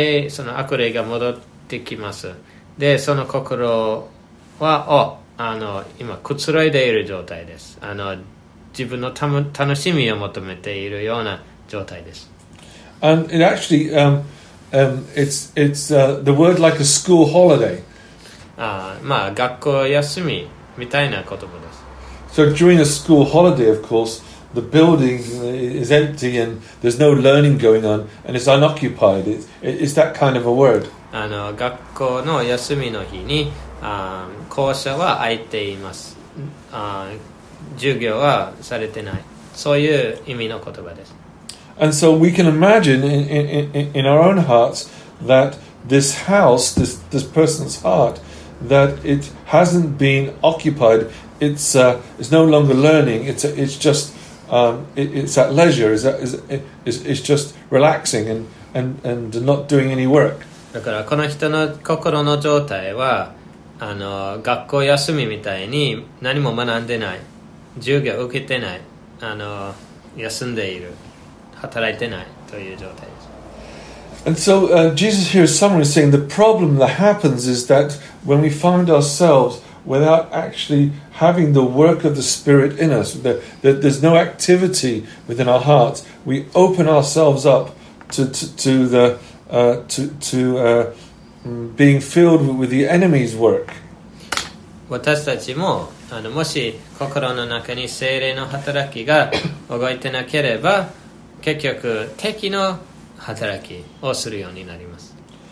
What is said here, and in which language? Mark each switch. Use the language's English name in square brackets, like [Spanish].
[Japanese] その悪霊が戻ってきます。で、その心は、今くつろいでいる状態です。自分の楽しみを求めているような状態です。 [English] And it actually, it's the word like a school holiday. [Japanese] まあ、学校休みみたいな言葉です。 [English] So during a school holiday, of course,The building is empty and there's no learning going on and it's unoccupied. It's that kind of a word. [Japanese] 学校の休みの日に、校舎は空いています。授業はされてない。そういう意味の言葉です。 [English] And so we can imagine in our own hearts that this house, this person's heart, that it hasn't been occupied. It's no longer learning. It's justit's at leisure, it's just relaxing and not doing any work. [Japanese] だからこの人の心の状態は学校休みみたいに何も学んでない、授業受けてない、休んでいる、働いてないという状態です。 [English] And so Jesus here is summarily saying the problem that happens is that when we find ourselves without actually having the work of the Spirit in us, that there's no activity within our hearts, we open ourselves up to being filled with the enemy's work. [Japanese] 私たちも、もし心の中に聖霊の働きが動いてなければ、結局敵の働きをするようになります。